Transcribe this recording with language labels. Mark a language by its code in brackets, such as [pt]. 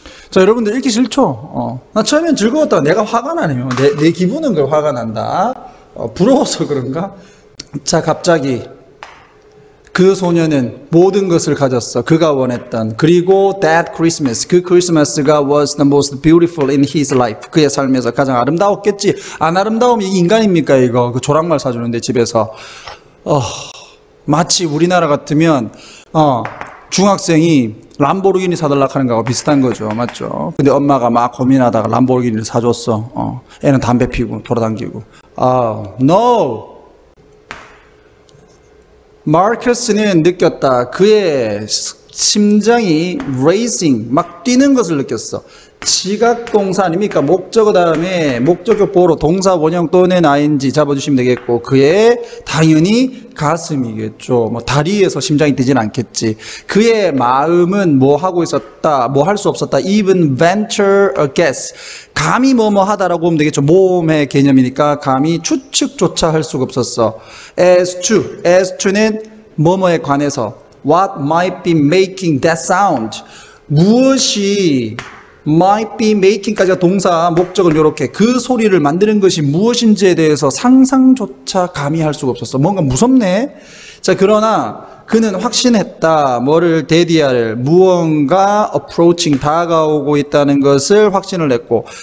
[ko] 자, 여러분들 읽기 싫죠? 나 처음엔 즐거웠다가 내가 화가 나네요. 내 기분은 그 화가 난다. 부러워서 그런가? 자, 갑자기 그 소녀는 모든 것을 가졌어. 그가 원했던. 그리고 [en] that Christmas. [ko] 그 크리스마스가 [en] was the most beautiful in his life. [ko] 그의 삶에서 가장 아름다웠겠지. 안 아름다우면 이게 인간입니까, 이거? 그 조랑말 사주는데 집에서. 마치 우리나라 같으면 중학생이 람보르기니 사달라고 하는 거하고 비슷한 거죠. 맞죠? 근데 엄마가 막 고민하다가 람보르기니를 사줬어. 애는 담배 피고 돌아다니고. [en] 아, no. [ko] 마커스는 느꼈다. 그의 심장이 레이싱, 막 뛰는 것을 느꼈어. 지각 동사 아닙니까? 목적어 다음에 목적격 보호로 동사 원형 또는 ing 잡아주시면 되겠고, 그의 당연히 가슴이겠죠. 뭐 다리에서 심장이 뛰진 않겠지. 그의 마음은 뭐 하고 있었다, 뭐할수 없었다. [en] Even venture a guess. [ko] 감히 뭐뭐 하다라고 보면 되겠죠. 모험의 개념이니까 감히 추측조차 할 수가 없었어. As to는 뭐뭐에 관해서. [en] What might be making that sound? [ko] 무엇이 [en] might be making [ko] 까지가 동사, 목적은 요렇게. 그 소리를 만드는 것이 무엇인지에 대해서 상상조차 감이 할 수가 없었어. 뭔가 무섭네. 자, 그러나 그는 확신했다. 뭐를 대디할, 무언가 [en] approaching, [ko] 다가오고 있다는 것을 확신을 했고.